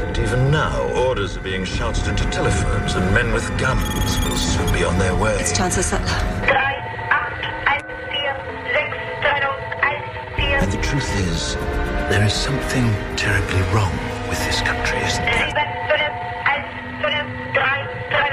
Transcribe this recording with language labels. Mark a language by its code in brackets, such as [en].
[en] Even now, orders are being shouted into telephones, and men with guns will soon be on their way. It's Chancellor Sutler. [de] Drei, acht, eins, vier, sechs, drei, eins, vier. [en] And the truth is, there is something terribly wrong with this country, isn't there? [de] Sieben, fünf, eins, fünf, drei, drei,